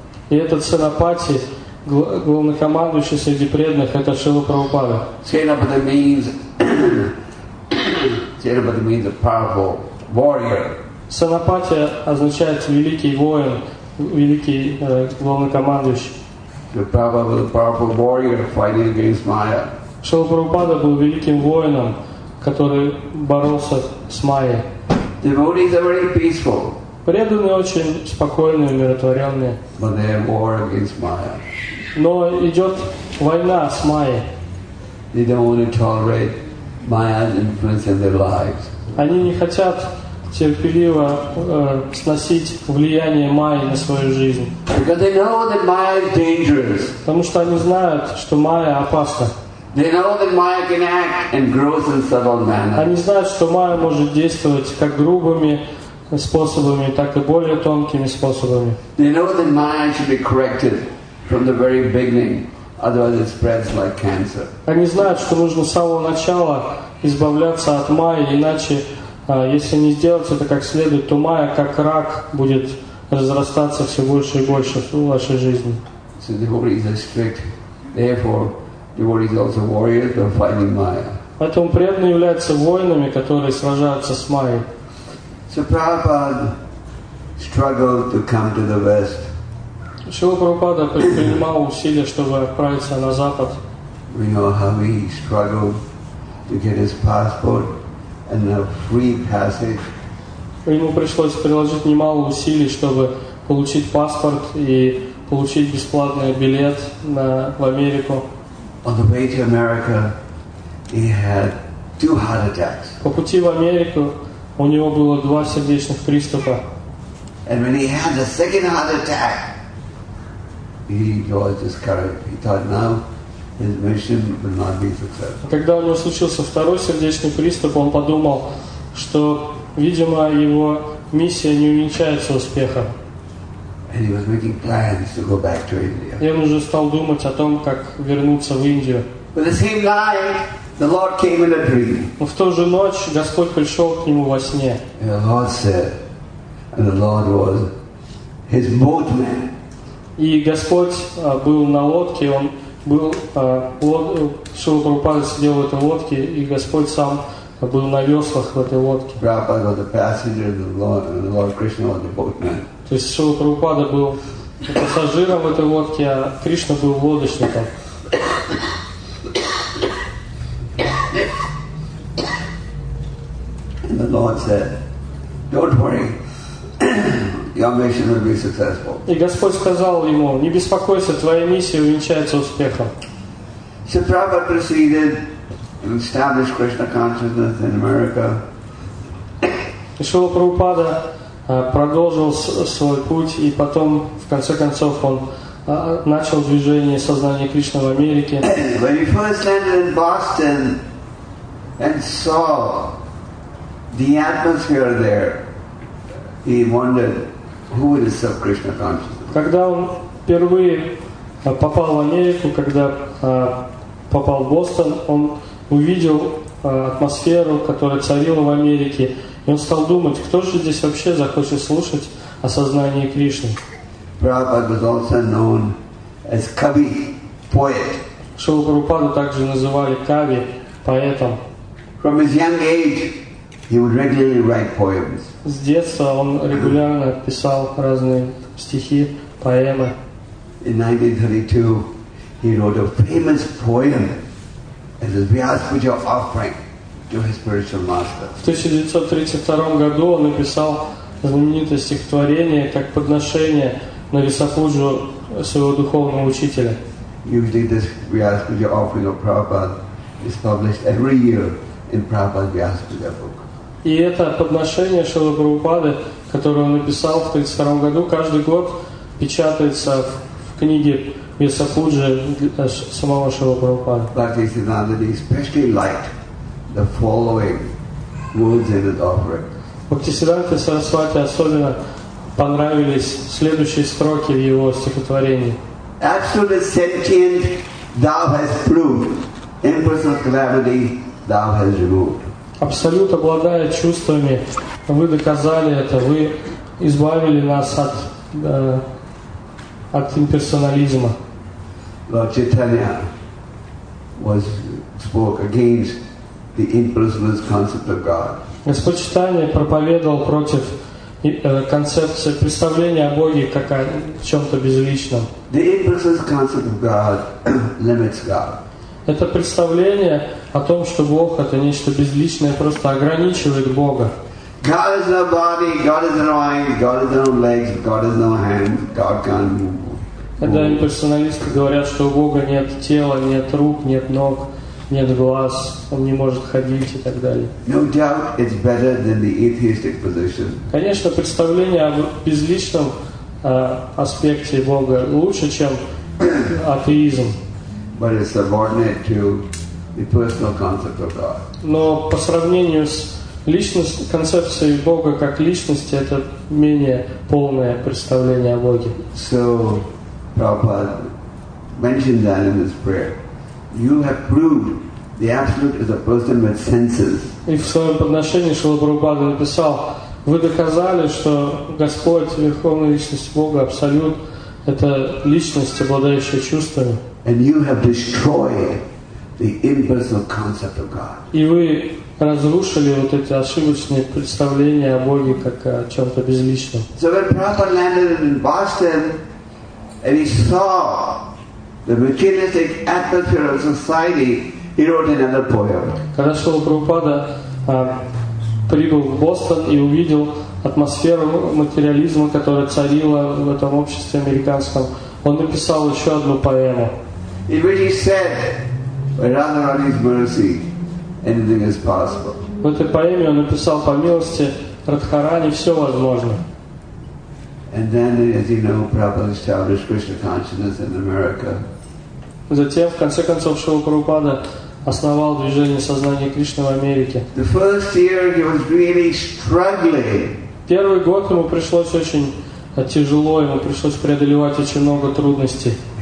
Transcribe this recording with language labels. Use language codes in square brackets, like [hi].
[ru] И этот Сенапати, главнокомандующий среди преданных, это Шрила Прабхупада. Сенапати означает великий воин, великий главнокомандующий. [en] The Prabhupada was a powerful warrior fighting against Maya. [ru] Шрила Прабхупада был великим воином, который боролся с Майей. [en] Devotees are very peaceful. [ru] Преданные очень спокойные, умиротворенные. [en] But they have war against Maya. [ru] Но идет война с Майей. [en] They don't want to tolerate Maya's influence in their lives. [ru] Они не хотят терпеливо сносить влияние Майи на свою жизнь. [en] Because they know that Maya is dangerous. [ru] Потому что они знают, что Майя опасна. [en] They know that Maya can act in gross and subtle manner. [ru] Они знают, что Майя может действовать как грубыми способами, так и более тонкими способами. [en] They know that Maya should be corrected from the very beginning, otherwise it spreads like cancer. [ru] Они знают, что нужно с самого начала избавляться от Майи, иначе если не сделать это как следует, то Майя как рак будет разрастаться все больше и больше в вашей жизни. [en] So devotees are strict. Therefore, devotees are also warriors who are fighting Maya. [ru] Поэтому преданные являются воинами, которые сражаются с Майей. [en] So Prabhupada struggled to come to the West. [ru] Шрила Прабхупада предпринимал усилия, чтобы отправиться на Запад. [en] We know how he struggled to get his passport and a free passage. [ru] Ему пришлось приложить немало усилий, чтобы получить паспорт и получить бесплатный билет в Америку. [en] On the way to America, he had 2 heart attacks. [ru] По пути в Америку у него было 2 сердечных приступа. [en] And when he had the second heart attack, he was discouraged. He thought, now his mission would not be successful. [ru] Когда у него случился второй сердечный приступ, он подумал, что, видимо, его миссия не увенчается успехом. [en] And he was making plans to go back to India. [ru] И он уже стал думать о том, как вернуться в Индию. [en] But the same night, the Lord came in a dream. [ru] Но в ту же ночь Господь пришел к нему во сне. [en] And the Lord said, and the Lord was his boatman. [ru] И Господь был на лодке, он был Шрила Прабхупада сидел в этой лодке, и Господь сам был на веслах в этой лодке. [en] Prabhupada was the passenger, the Lord Krishna was the boatman. [ru] То есть Шрила Прабхупада был пассажиром в этой лодке, а Кришна был лодочником. [en] And the Lord said, "Don't worry, your mission will be successful. [ru] И Господь сказал ему: не беспокойся, твоя миссия увенчается успехом. [en] So Prabhupada proceeded and established Krishna consciousness in America. [ru] И Шрила Прабхупада продолжил свой путь, и потом в конце концов он начал движение сознания Кришны в Америке. [en] When he first landed in Boston and saw the atmosphere there, he wondered who would accept Krishna consciousness. [ru] Когда он впервые попал в Америку, когда попал в Бостон, он увидел атмосферу, которая царила в Америке, и он стал думать, кто же здесь вообще захочет слушать о сознании Кришны. [en] Prabhupada was also known as Kavi, poet. [ru] Шрила Прабхупаду также называли Кави, поэтом. [en] From his young age, he would regularly write poems. [ru] С детства он регулярно писал разные стихи, поэмы. [en] In 1932, he wrote a famous poem as a Vyas Puja offering to his spiritual master. [ru] В 1932 году он написал знаменитое стихотворение как подношение на Висапуджу своего духовного учителя. [en] Usually this Vyas Puja offering of Prabhupada is published every year in Prabhupada's Vyas Puja book. [ru] И это подношение Шрилы Прабхупады, которое он написал в 32 году, каждый год печатается в книге Висапуджи самого Шрилы Прабхупады. [en] Bhakti Siddhanta especially liked the following words in his offering. [ru] Bhakti Siddhanta Sarasvati особенно понравились следующие строки в его стихотворении. [en] Absolute sentient, thou hast proved. Impersonal gravity, thou hast removed. [ru] Абсолют, обладая чувствами, вы доказали это, вы избавили нас от, от имперсонализма. [en] Lord Chaitanya was spoke against the impersonalist concept of God. [ru] Господь Чайтанья проповедовал против концепция представления о Боге как о чем-то безличном. [en] The impersonalist concept of God limits God. [ru] Это представление о том, что Бог это нечто безличное, просто ограничивает Бога. [en] God is no body, God is no mind, God is no legs, God is no hand, God can't move. [ru] Когда имперсоналисты говорят, что у Бога нет тела, нет рук, нет ног, нет глаз, он не может ходить и так далее. [en] No doubt it's better than the atheistic position. [ru] Конечно, представление о безличном аспекте Бога лучше, чем атеизм. [en] But it's subordinate to the personal concept of God. [ru] Но по сравнению с личностью, концепцией Бога как личности, это менее полное представление о Боге. [en] So Prabhupada mentioned that in his prayer. You have proved the absolute is a person with senses. [ru] И в своем подношении Шрила Прабхупада написал: вы доказали, что Господь, верховная личность Бога, абсолют, это личность, обладающая чувствами. [en] And you have destroyed the impersonal concept of God. [ru] И вы разрушили вот эти ошибочные представления о Боге как о чем-то безличном. [en] So when Prabhupada landed in Boston and he saw the materialistic atmosphere of society, he wrote another poem. [ru] Когда Шрила Прабхупада прибыл в Бостон и увидел атмосферу материализма, которая царила в этом обществе американском, он написал еще одну поэму. [en] In which he said, "By Radharani's mercy, anything is possible." [ru] В этой поэме он написал: по милости Радхарани все возможно. [en] And then, as you know, Prabhupada established Krishna consciousness in America. [ru] Затем, в конце концов, Шрила Прабхупада основал движение сознания Кришны в Америке. [en] The first year he was really struggling. [ru] Первый год ему пришлось очень тяжело, ему пришлось преодолевать очень много трудностей.